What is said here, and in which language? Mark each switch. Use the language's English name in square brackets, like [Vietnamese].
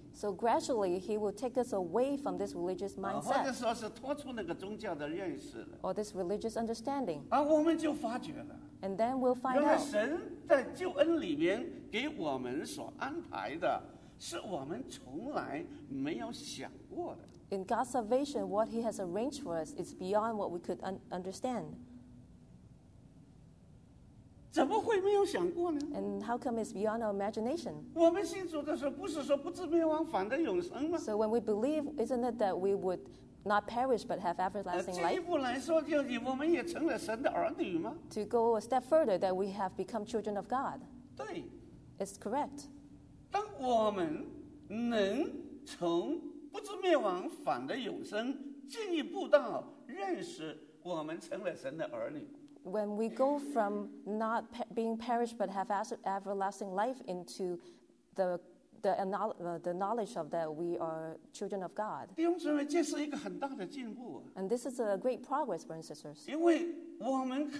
[English] So gradually, he will take us away from this religious mindset. [Chinese] 或者说是脱出那个宗教的认识了。 [English] Or this religious understanding. [Chinese] 我们就发觉了。 [English] And then we'll find out. [Chinese] 原来神在救恩里面给我们所安排的，是我们从来没有想过的。 [English] In God's salvation, what he has arranged for us is beyond what we could understand. [Chinese] 怎么会没有想过呢？ [English] And how come it's beyond our imagination? [Chinese] 我们信主的时候不是说不至灭亡反得永生吗？ [English] So when we believe, isn't it that we would not perish but have everlasting life. [Chinese] 进一步来说，就我们也成了神的儿女吗？ [English] To go a step further, that we have become children of God. [Chinese] 对， [English] it's correct. [Chinese] 当我们能从不知灭亡反的永生，进一步到认识我们成了神的儿女。 [English] When we go from not being perished but have everlasting life into the knowledge of that we are children of God. [Chinese] 弟兄姊妹，这是一个很大的进步啊。 [English] And this is a great progress, brothers and sisters.